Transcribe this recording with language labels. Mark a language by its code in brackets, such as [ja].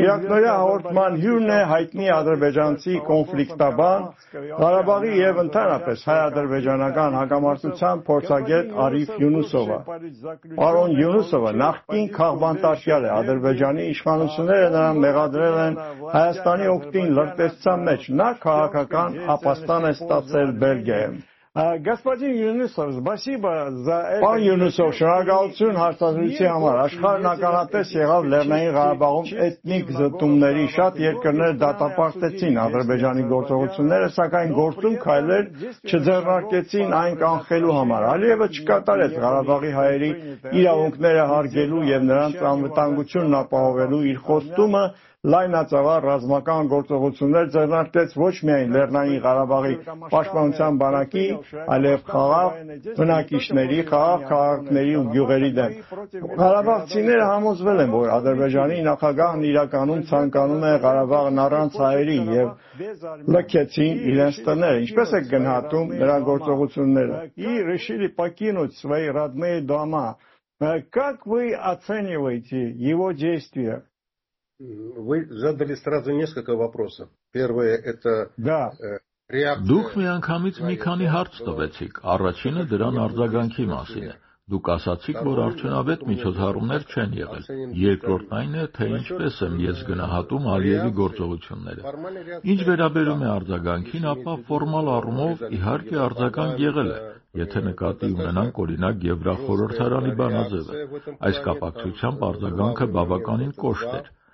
[hy] Երկնորյա հաղորդման հյուրն է հայտնի ադրբեջանցի կոնֆլիկտաբան Ղարաբաղի եւ ընդհանրապես հայ-ադրբեջանական հակամարտության փորձագետ Արիֆ Յունուսովը Պարոն Յունուսովը նախկին քաղբանտարշյալ է ադրբեջանի իշխանությունները նրան մեղադրել են Հայաստանի օգտին լրտեսության մեջ նա քաղաքական ապաստան է ստացել Բելգիայում [ru] Господин Юнусов, спасибо за это. [hy] Пан Юнусов, շնորհակալություն հարցազրույցի համար։ Աշխարհն ականատես եղավ Լեռնային Ղարաբաղում էթնիկ զտումների շատ երկրներ դատապարտեցին Ադրբեջանի գործողությունները, սակայն գործում քայլեր չձեռնարկեցին այն կանխելու համար։ Ալիևը չկատարեց Ղարաբաղի հայերի իրավունքները հարգելու եւ նրանց անվտանգությունն ապահովելու իր խոստումը։ Լայնածավալ ռազմական գործողություններ ձեռնարկեց ոչ միայն Լեռնային Ղարաբաղի պաշտպանության բանակի, այլև խաղաղ բնակիչների, խաղաղ քաղաքների ու գյուղերի դեմ։ Ղարաբաղցիները համոզվել են, որ Ադրբեջանի նախագահն իրականում ցանկանում է Ղարաբաղն առանց հայերի եւ լքեցին իրենց տները։ Ինչպես է գնահատում նրա գործողությունները։ [ru] И решили покинуть свои родные дома. Как вы оцениваете его действия? Вы задали сразу несколько вопросов. Первое это реакция. Дух мне [hy] անգամից մի քանի հարց տվեցիք, առաջինը դրան արձագանքի մասին է։ Դուք ասացիք, որ արդյունավետ միջոցառումներ չեն եղել։ Երկրորդ այն է, թե ինչպես եմ ես գնահատում Ալիևի գործողությունները։ Ինչ վերաբերում է արձագանքին, ապա ֆորմալ առումով իհարկե արձագանք եղել է, եթե նկատի ունենանք օրինակ Եվրախորհրդարանի բանաձևը։ Այս կապակցությամբ արձագանքը բավականին կոշտ է։